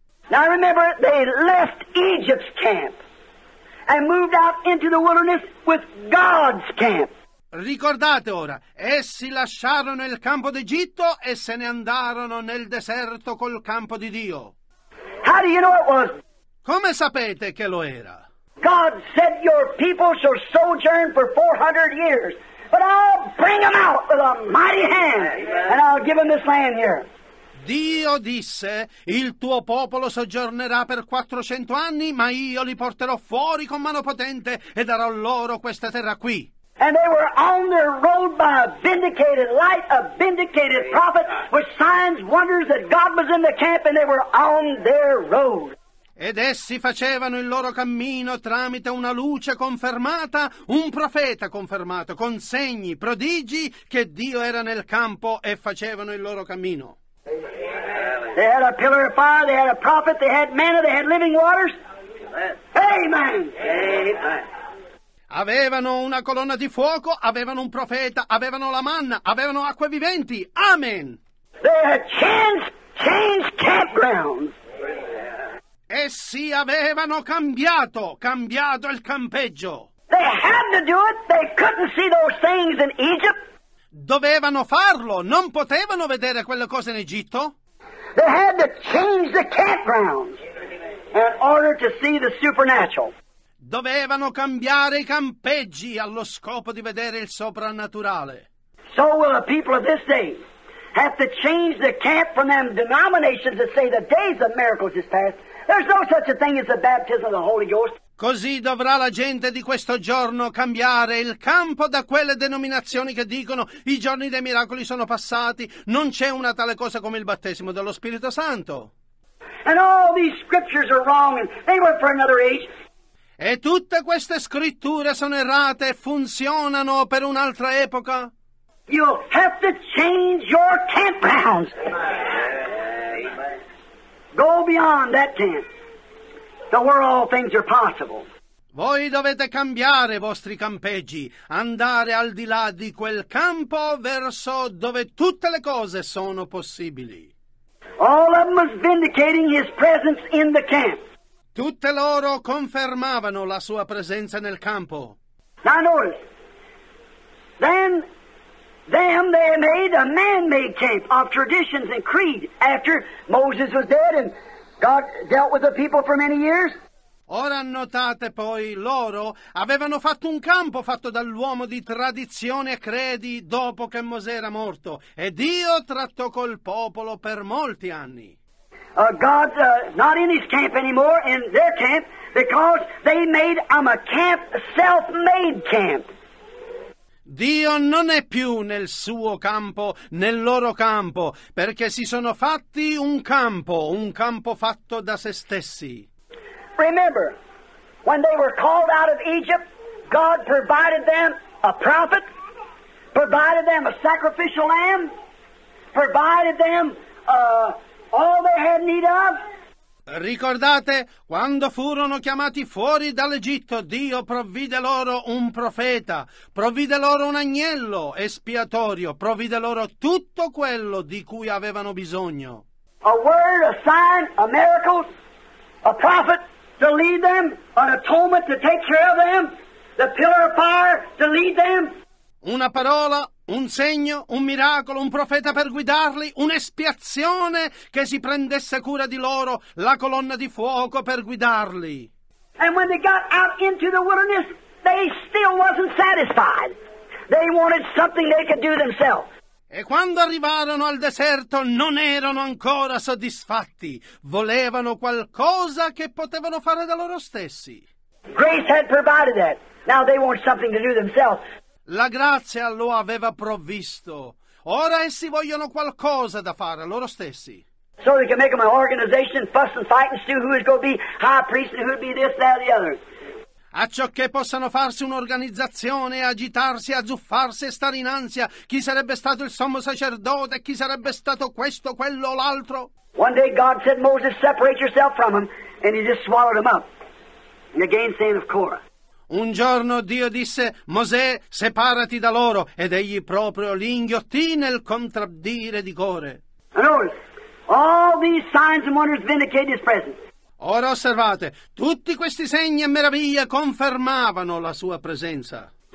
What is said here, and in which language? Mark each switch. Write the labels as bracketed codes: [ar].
[en] Now remember, they left Egypt's camp and moved out into the wilderness with God's camp. [it] Ricordate ora, essi lasciarono il campo d'Egitto e se ne andarono nel deserto col campo di Dio. [en] How do you know it was? [it] Come sapete che lo era? [en] God said your people shall sojourn for 400 years, but I'll bring them out with a mighty hand and I'll give them this land here. [it] Dio disse, il tuo popolo soggiornerà per 400 anni, ma io li porterò fuori con mano potente e darò loro questa terra qui. [en] And they were on their road by a vindicated light, a vindicated prophet, with signs, wonders that God was in the camp, and they were on their road. [it] Ed essi facevano il loro cammino tramite una luce confermata, un profeta confermato, con segni, prodigi, che Dio era nel campo e facevano il loro cammino. [en] They had a pillar of fire, they had a prophet, they had manna, they had living waters. Amen! [it] Avevano una colonna di fuoco, avevano un profeta, avevano la manna, avevano acque viventi. Amen! [en] They had changed campgrounds. [it] Essi avevano cambiato il campeggio. [en] They had to do it. They couldn't see those things in Egypt. [it] Dovevano farlo. Non potevano vedere quelle cose in Egitto. [en] They had to change the campgrounds in order to see the supernatural. [it] Dovevano cambiare i campeggi allo scopo di vedere il soprannaturale. [en] So will the people of this day have to change the camp from them denominations that say the days of miracles is past. There's no such a thing as the baptism of the Holy Ghost. [it] Così dovrà la gente di questo giorno cambiare il campo da quelle denominazioni che dicono i giorni dei miracoli sono passati, non c'è una tale cosa come il battesimo dello Spirito Santo. [en] And all these scriptures are wrong and they were for another age. [it] E tutte queste scritture sono errate e funzionano per un'altra epoca? [en] You have to change your campgrounds. Go beyond that tent, to where all things are possible. [it] Voi dovete cambiare i vostri campeggi, andare al di là di quel campo verso dove tutte le cose sono possibili. [en] All of them was vindicating his presence in the camp. [it] Tutte loro confermavano la sua presenza nel campo. [en] Now notice, then them they made a man-made camp of traditions and creed after Moses was dead and God dealt with the people for many years. [it] Ora notate poi, loro avevano fatto un campo fatto dall'uomo di tradizione e credi dopo che Mosè era morto e Dio trattò col popolo per molti anni. [en] God not in his camp anymore, in their camp, because they made a camp, self-made camp. [it] Dio non è più nel suo campo, nel loro campo, perché si sono fatti un campo fatto da se stessi. [en] Remember, when they were called out of Egypt, God provided them a prophet, provided them a sacrificial lamb, provided them all they had need of. [it] Ricordate, quando furono chiamati fuori dall'Egitto, Dio provvide loro un profeta, provvide loro un agnello espiatorio, provvide loro tutto quello di cui avevano bisogno. [en] A word, a sign, a miracle, a prophet, to lead them, an atonement to take care of them, the pillar of fire to lead them. [it] Una parola, un segno, un miracolo, un profeta per guidarli, un'espiazione che si prendesse cura di loro, la colonna di fuoco per guidarli. [en] And when they got out into the wilderness, they still wasn't satisfied. They wanted something they could do themselves. [it] E quando arrivarono al deserto non erano ancora soddisfatti. Volevano qualcosa che potevano fare da loro stessi. [en] Grace had provided that. Now they want something to do themselves. [it] La grazia lo aveva provvisto. Ora essi vogliono qualcosa da fare a loro stessi. [en] So they can make them an organization, fuss and fight and see who is going to be high priest and who would be this, that, or the other. [it] A ciò che possano farsi un'organizzazione, agitarsi, azzuffarsi e stare in ansia, chi sarebbe stato il sommo sacerdote, chi sarebbe stato questo, quello o l'altro. [en] One day God said, Moses, separate yourself from him, and he just swallowed him up. And again saying of Korah. [it] Un giorno Dio disse, Mosè, separati da loro, ed egli proprio li inghiottì nel contraddire di Core. [en] All these signs and wonders vindicate his presence. [it] Ora osservate, tutti questi segni e meraviglie confermavano la sua presenza.